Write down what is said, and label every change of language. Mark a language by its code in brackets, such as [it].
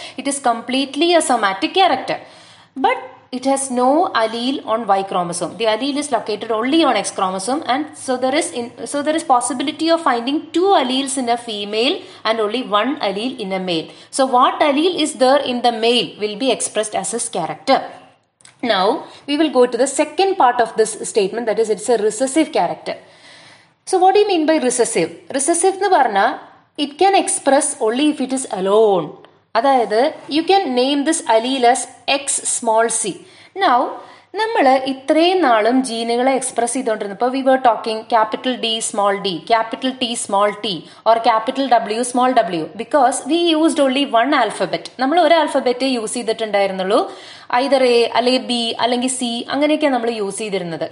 [en] It is completely a somatic character, but it has no allele on Y chromosome. The allele is located only on X chromosome, and so there is possibility of finding two alleles in a female and only one allele in a male. So what allele is there in the male will be expressed as his character. Now, we will go to the second part of this statement, that is, it's a recessive character. So, what do you mean by recessive? Recessive [ml] nu parna, [en] it can express only if it is alone. Adhaayathu, you can name this allele as X small c. Now, [ml] നമ്മൾ ഇത്രയും നാളും ജീനുകളെ express ചെയ്തുകൊണ്ടിരുന്നപ്പോൾ [en] We were talking capital d, capital t, or capital w, because we used only one alphabet. [ml] നമ്മൾ ഒരു ആൽഫബറ്റേ use ചെയ്തിട്ടുണ്ടായിരുന്നുള്ളൂ, either A അല്ലെങ്കിൽ B അല്ലെങ്കിൽ C, അങ്ങനെയൊക്കെയാണ് നമ്മൾ use ചെയ്തിരുന്നത്.